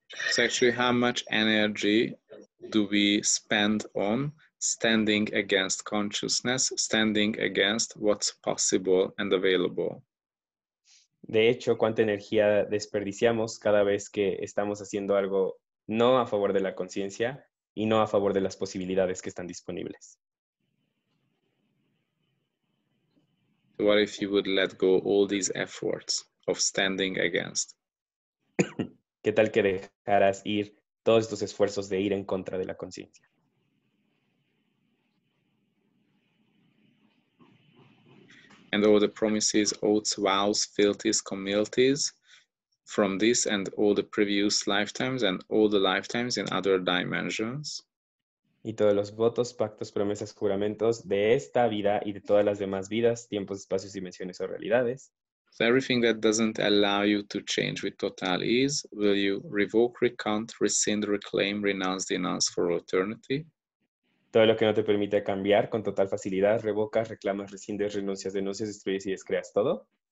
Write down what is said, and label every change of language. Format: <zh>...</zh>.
<en>So actually, how much energy do we spend on standing against consciousness, standing against what's possible and available?</en> <es>De hecho, ¿cuánta energía desperdiciamos cada vez que estamos haciendo algo no a favor de la conciencia y no a favor de las posibilidades que están disponibles?</es> <en>What if you would let go all these efforts of standing against?</en> <es>¿Qué tal que dejaras ir todos estos esfuerzos de ir en contra de la conciencia?</es> <en>And all the promises, oaths, vows, fealties, commilities from this and all the previous lifetimes and all the lifetimes in other dimensions.</en> <es>Y todos los votos, pactos, promesas, juramentos de esta vida y de todas las demás vidas, tiempos, espacios, dimensiones o realidades.</es> <en>So everything that doesn't allow you to change with total ease, will you revoke, recount, rescind, reclaim, renounce, denounce for eternity?</en> <es>Todo lo que no te permite cambiar con total facilidad, revocas, reclamas, rescindes, renuncias, denuncias, destruyes y descreas todo.</es>